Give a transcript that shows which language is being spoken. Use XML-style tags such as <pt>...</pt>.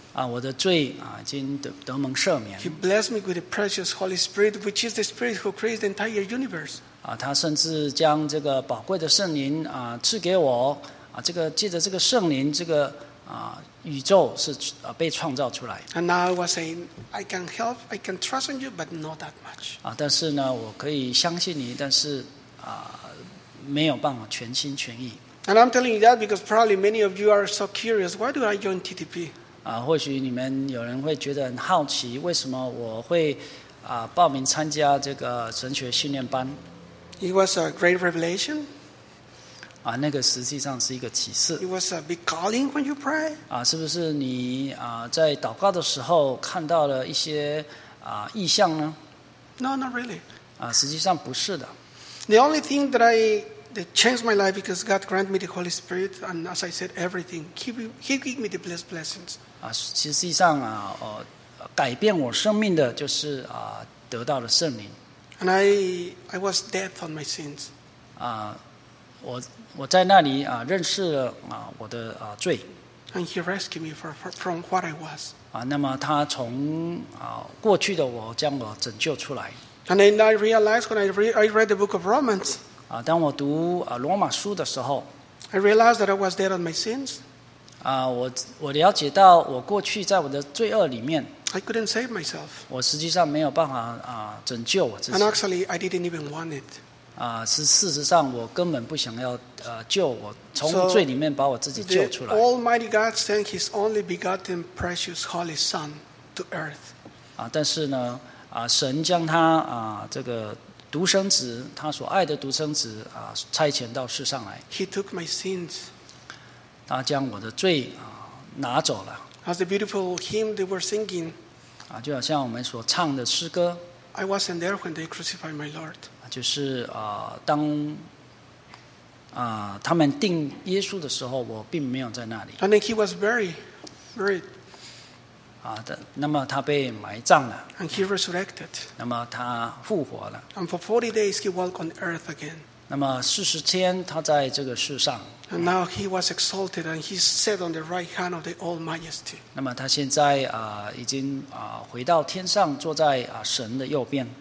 <zh>啊，我的罪啊，已经得蒙赦免。</zh> <en>He blessed me with the precious Holy Spirit, which is the Spirit who created the entire universe.</en> <zh>啊，他甚至将这个宝贵的圣灵啊赐给我啊，这个借着这个圣灵，这个啊宇宙是被创造出来。</zh> <en>And now I was saying, I can help, I can trust in you, but not that much.</en> <zh>啊，但是呢，我可以相信你，但是啊，没有办法全心全意。</zh> <en>And I'm telling you that because probably many of you are so curious, why do I join TTP?</en> <zh>啊，或许你们有人会觉得很好奇，为什么我会啊报名参加这个神学训练班</zh> <en>？It was a great revelation.</en> <zh>啊，那个实际上是一个启示。</zh> <en>It was a big calling when you pray.</en> <zh>啊，是不是你啊在祷告的时候看到了一些啊异象呢</zh> <en>？No, not really.</en> <zh>啊，实际上不是的。</zh> <en>The only thing that changed my life because God granted me the Holy Spirit, and as I said, everything He gave me the blessed blessings.</en> <zh>啊，实际上啊，改变我生命的就是啊得到了圣灵。</zh> <en>And I was dead on my sins. 啊。</en> <zh>我在那里啊，认识了啊我的啊罪。</zh> <en>And he rescued me from what I was.</en> <zh>啊，那么他从啊过去的我将我拯救出来。</zh> <en>And then I realized when I read the book of Romans.</en> <zh>啊，当我读啊罗马书的时候</zh> <en>，I realized that I was dead on my sins.</en> <zh>啊，我了解到我过去在我的罪恶里面。</zh> <en>I couldn't save myself.</en> <zh>我实际上没有办法啊拯救我自己。</zh> <en>And actually, I didn't even want it.</en> <zh>啊，是事实上，我根本不想要救我，从罪里面把我自己救出来。</zh> <en>So, Almighty God sent His only begotten, precious, holy Son to earth.</en> <zh>啊，但是呢，啊，神将他啊这个独生子，他所爱的独生子啊，差遣到世上来。</zh> <en>He took my sins.</en> <zh>他将我的罪啊拿走了。</zh> <en>As the beautiful hymn they were singing.</en> <zh>啊，就好像我们所唱的诗歌。</zh> <en>I wasn't there when they crucified my Lord.</en> <zh>就是当他们钉耶稣的时候，我并没有在那里。</zh> <en>And then he was buried.</en> <zh>啊，那么他被埋葬了。</zh> <en>And he resurrected.</en> <zh>那么他复活了。</zh> <en>And for 40 days he walked on earth again.</en> <zh>那么40天他在这个世上。</zh> <en>And now he was exalted and he sat on the right hand of the All Majesty.</en> <zh>那么他现在已经回到天上，坐在神的右边。</zh>